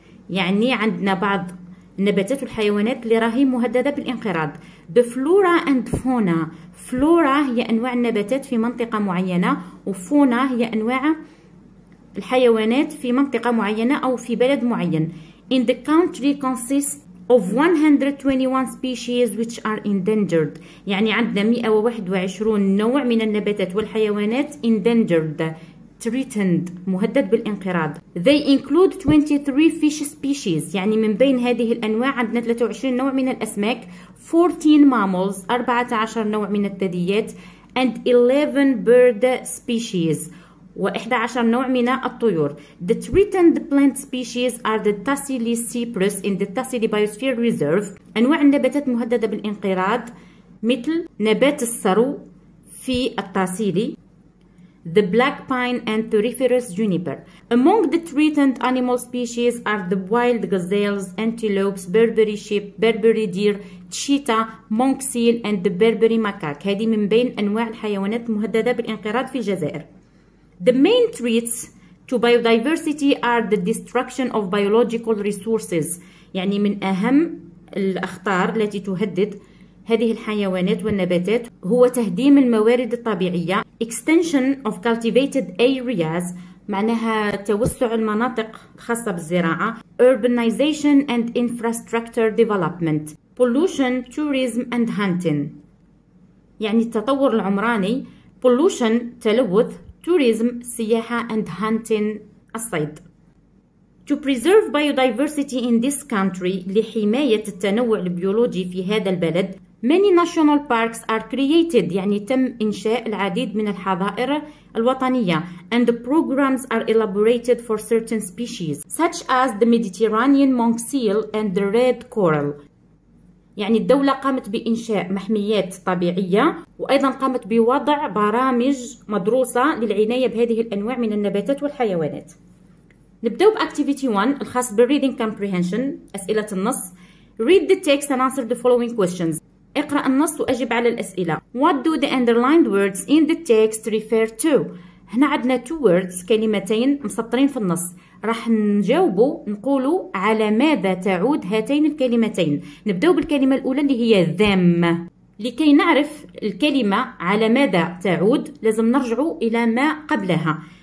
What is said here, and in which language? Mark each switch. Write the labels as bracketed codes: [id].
[ar] يعني عندنا بعض النباتات والحيوانات اللي راهي مهددة بالانقراض. [en] The flora and fauna. [ar] Flora هي أنواع النباتات في منطقة معينة، وفونا هي أنواع الحيوانات في منطقة معينة أو في بلد معين. [en] In the country consists of 121 species which are endangered. [ar] يعني عندنا 121 نوع من النباتات والحيوانات [en] endangered، threatened، [ar] مهدد بالانقراض. [en] They include 23 fish species. [ar] يعني من بين هذه الأنواع عندنا 23 نوع من الأسماك. 14 [en] mammals، [ar] 14 نوع من الثدييات. [en] And 11 bird species، [ar] و11 نوع من الطيور. [en] The threatened plant species are the Tassili cypress in the Tassili Biosphere Reserve. [ar] أنواع النباتات مهددة بالانقراض مثل نبات الثرو في التاسيلي. [en] The black pine and thuriferous juniper. Among the threatened animal species are the wild gazelles, antelopes, Berberi sheep, Berberi deer, cheetah, monk seal and the Berberi macaque. [ar] هذه من بين أنواع الحيوانات المهددة بالانقراض في الجزائر. [en] The main threats to biodiversity are the destruction of biological resources. [ar] يعني من أهم الأخطار التي تهدد هذه الحيوانات والنباتات هو تهديم الموارد الطبيعية. [en] Extension of cultivated areas، [ar] معناها توسع المناطق خاصة بالزراعة. [en] Urbanization and infrastructure development. Pollution, tourism and hunting، [ar] يعني التطور العمراني. [en] Pollution، [ar] تلوث. [en] Tourism، [ar] سياحة. [en] And hunting، [ar] الصيد. [en] To preserve biodiversity in this country، [ar] لحماية التنوع البيولوجي في هذا البلد، [en] many national parks are created. [ar] يعني تم إنشاء العديد من الحظائر الوطنية. [en] And the programs are elaborated for certain species، such as the Mediterranean monk seal and the red coral. [ar] يعني الدولة قامت بإنشاء محميات طبيعية، وأيضا قامت بوضع برامج مدروسة للعناية بهذه الأنواع من النباتات والحيوانات. نبدأ بأكتيفيتي 1 الخاص بالريدنج كومبريهنشن، أسئلة النص. [en] Read the text and answer the following questions. [ar] اقرأ النص وأجب على الأسئلة. [en] What do the underlined words in the text refer to؟ [ar] هنا عندنا [en] two words، [ar] كلمتين مسطرين في النص. راح نجاوبه نقولوا على ماذا تعود هاتين الكلمتين. نبدأ بالكلمة الأولى اللي هي them. لكي نعرف الكلمة على ماذا تعود لازم نرجع إلى ما قبلها.